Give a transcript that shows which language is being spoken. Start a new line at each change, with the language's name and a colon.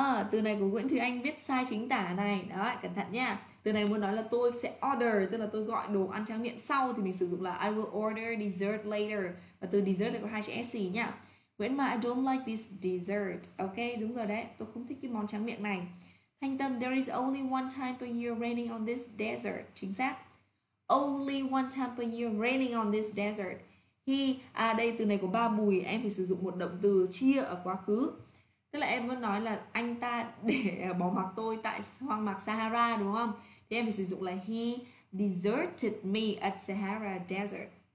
Vietnamese: Từ này của Nguyễn Thúy Anh viết sai chính tả này. Đó, cẩn thận nha. Từ này muốn nói là tôi sẽ order, tức là tôi gọi đồ ăn tráng miệng sau, thì mình sử dụng là
English: I will order dessert later.
Vietnamese: Và từ dessert này có hai chữ S gì nha. Nguyễn Mai,
English: I don't like this dessert.
Vietnamese: Ok, đúng rồi đấy. Tôi không thích cái món tráng miệng này.
English: Thanh Tâm, there is only one time per year raining on this desert.
Vietnamese: Chính xác.
English: Only one time per year raining on this desert.
Vietnamese: Khi đây từ này của ba Bùi, em phải sử dụng một động từ chia ở quá khứ. Tức là em muốn nói là anh ta để bỏ mặc tôi tại hoang mạc Sahara đúng không? Thì em phải sử dụng là
English: he deserted me at Sahara Desert.